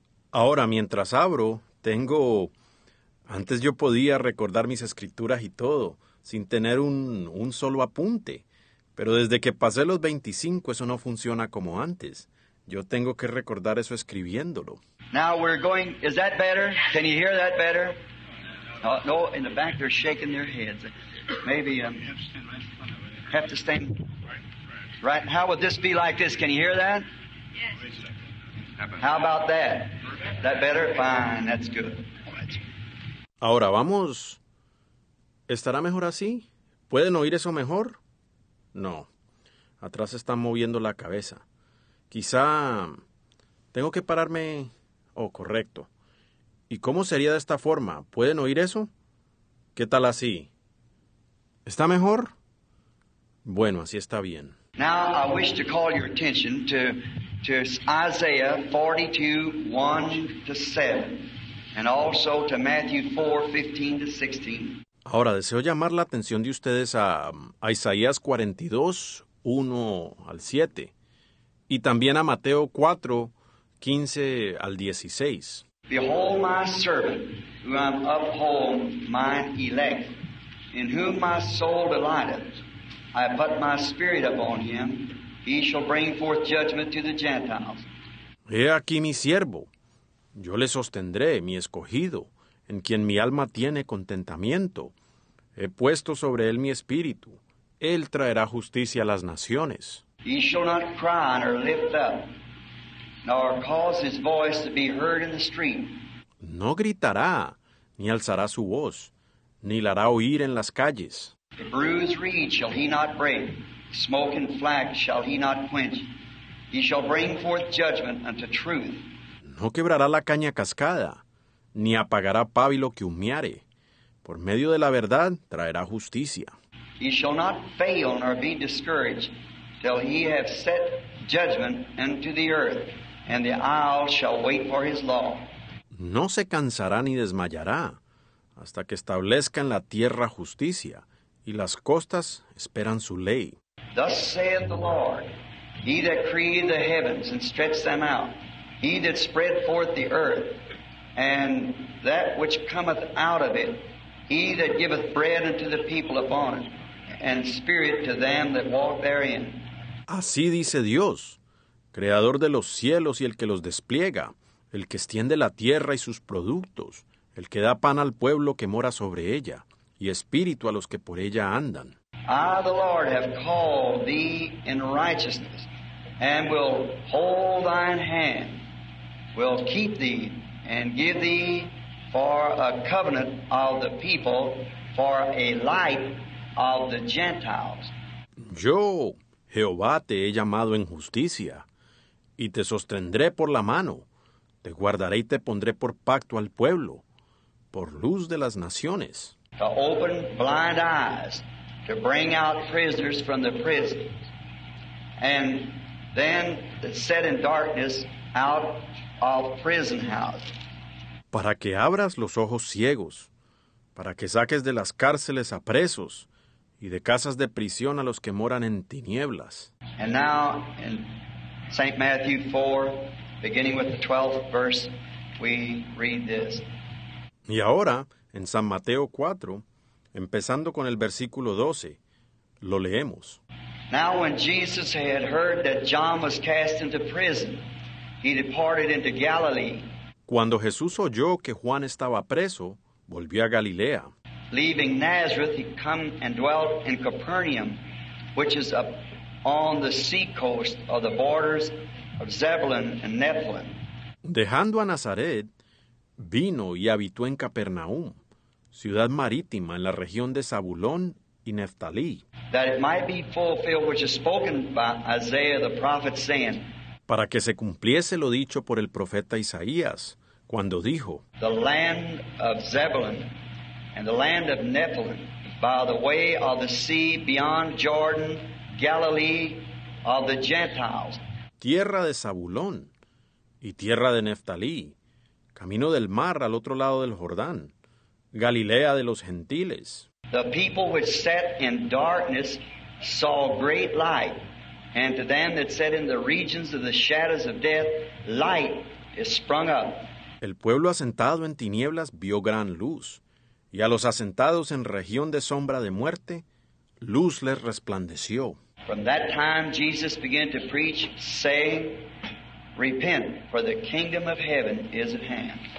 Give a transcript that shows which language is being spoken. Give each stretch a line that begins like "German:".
Spanish: Ahora, mientras abro, tengo... Antes yo podía recordar mis escrituras y todo, sin tener un solo apunte. Pero desde que pasé los 25, eso no funciona como antes. Yo tengo que recordar eso escribiéndolo.
English: Now we're going... Is that better? Can you hear that better? No, in the back they're shaking their heads. Maybe have to stand... Right, how would this be like this? Can you hear that? Yes. How about that? That better? Fine, that's good.
Spanish: Ahora vamos. ¿Estará mejor así? ¿Pueden oír eso mejor? No. Atrás están moviendo la cabeza. Quizá tengo que pararme. Oh, correcto. ¿Y cómo sería de esta forma? ¿Pueden oír eso? ¿Qué tal así? ¿Está mejor? Bueno, así está bien.
English: Now I wish to call your attention to Isaiah 42:1-7, and also to Matthew 4:15-16.
Spanish: Ahora deseo llamar la atención de ustedes a Isaías 42:1-7, y también a Mateo 4:15-16.
English: Behold my servant, who I uphold, my elect, in whom my soul delighteth. I put my spirit upon him. He shall bring forth judgment to the Gentiles.
Spanish: He aquí mi siervo. Yo le sostendré, mi escogido, en quien mi alma tiene contentamiento. He puesto sobre él mi espíritu. Él traerá justicia a las naciones.
English: He shall not cry nor lift up, nor cause his voice to be heard in the street.
Spanish: No gritará, ni alzará su voz, ni la hará oír en las calles.
English: The bruised reed shall he not break, smoke and flax shall he not quench. He shall bring forth judgment unto truth.
Spanish: No quebrará la caña cascada, ni apagará pábilo que humeare. Por medio de la verdad traerá justicia.
English: He shall not fail nor be discouraged, till he have set judgment unto the earth, and the isle shall wait for his law.
Spanish: No se cansará ni desmayará, hasta que establezca en la tierra justicia. Y las costas esperan su ley.
English: Thus saith the Lord, he that created the heavens and stretched them out, he that spread forth the earth, and that which cometh out of it, he that giveth bread unto the people upon it, and spirit to them that walk therein.
Spanish: Así dice Dios, creador de los cielos y el que los despliega, el que extiende la tierra y sus productos, el que da pan al pueblo que mora sobre ella. Y espíritu a los que por ella andan.
English: I, the Lord, have called thee in righteousness, and will hold thine hand, will keep thee, and give thee for a covenant of the people, for a light of the Gentiles.
Spanish: Yo, Jehová, te he llamado en justicia, y te sostendré por la mano, te guardaré y te pondré por pacto al pueblo, por luz de las naciones.
English: To open blind eyes, to bring out prisoners from the prison, and then set in darkness out of prison house.
Spanish: Para que abras los ojos ciegos, para que saques de las cárceles a presos, y de casas de prisión a los que moran en tinieblas.
English: And now, in St. Matthew 4, beginning with the 12th verse, we read this.
Spanish: Y ahora... En San Mateo 4, empezando con el versículo 12, lo leemos.
English: Now when Jesus had heard that John was cast into prison, he departed into Galilee.
Spanish: Cuando Jesús oyó que Juan estaba preso, volvió a Galilea.
English: Leaving Nazareth, he came and dwelt in Capernaum, which is up on the sea coast of the borders of Zebulun and Naphtali.
Spanish: Dejando a Nazaret, vino y habitó en Capernaum. Ciudad marítima en la región de Zabulón y Neftalí.
English: That it might be fulfilled which is spoken by Isaiah the prophet saying.
Spanish: Para que se cumpliese lo dicho por el profeta Isaías, cuando dijo.
English: The land of Zebulun and the land of Naphtali, by the way of the sea beyond Jordan, Galilee of the Gentiles.
Spanish: Tierra de Zabulón y tierra de Neftalí, camino del mar al otro lado del Jordán, Galilea de los gentiles.
English: The people which sat in darkness saw great light, and to them that sat in the regions of the shadows of death, light is sprung up.
Spanish: El pueblo asentado en tinieblas vio gran luz, y a los asentados en región de sombra de muerte, luz les resplandeció.
English: From that time Jesus began to preach, saying, repent, for the kingdom of heaven is at hand.